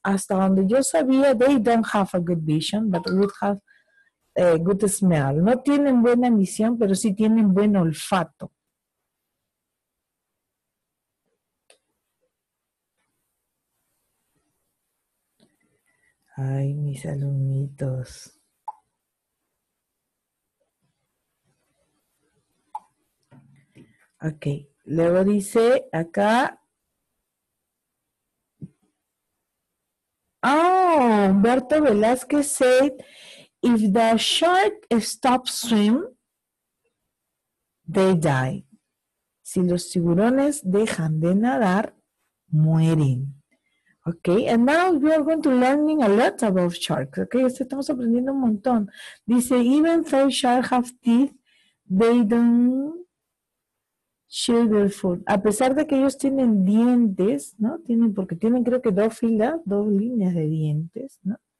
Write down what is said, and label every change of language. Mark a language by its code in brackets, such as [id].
[es] Hasta donde yo sabía, [en] they don't have a good vision, but would have a good smell. [es] No tienen buena visión, pero sí tienen buen olfato. Ay, mis alumnitos. Ok, luego dice acá. [en] Oh, Humberto Velázquez said, if the shark stops swim, they die. [es] Si los tiburones dejan de nadar, mueren. [en] Ok, and now we are going to learning a lot about sharks. Ok, [es] estamos aprendiendo un montón. Dice, [en] even though sharks have teeth, they don't chew food. [es] A pesar de que ellos tienen dientes, ¿no? Tienen, porque tienen creo que dos filas, dos líneas de dientes, ¿no?